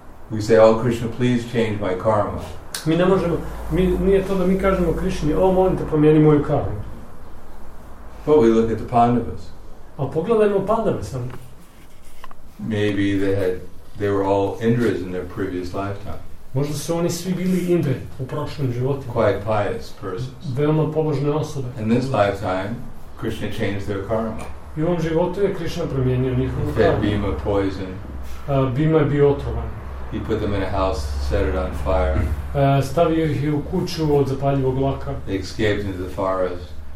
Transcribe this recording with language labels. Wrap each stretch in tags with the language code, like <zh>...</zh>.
<en>We say, oh Krishna, please change my karma.</en> <hr>Mi ne možemo, mi, nije to da mi kažemo Krišni, o, molim te, promijeni moju karmu.</hr> <en>But we look at the Pandavas.</en> <hr>A pogledajmo Pandave sam.</hr> <en>Maybe they were all Indras in their previous lifetime.</en> <hr>Možda su oni svi bili Indre u prošlom životu.</hr> <en>Quite pious persons.</en> <hr>Veoma pobožne osobe.</hr> <en>In this lifetime, Krishna changed their karma.</en> <hr>I u ovom životu je Krishna promijenio njihovu karmu.</hr> <en>He fed Bhima poison.</en> <hr>Bhima je bio otrovan.</hr> <en>He put them in a house, set it on fire.</en> <hr>Stavio ih u kuću od zapaljivog laka.</hr> <en>They escaped into the forest.</en>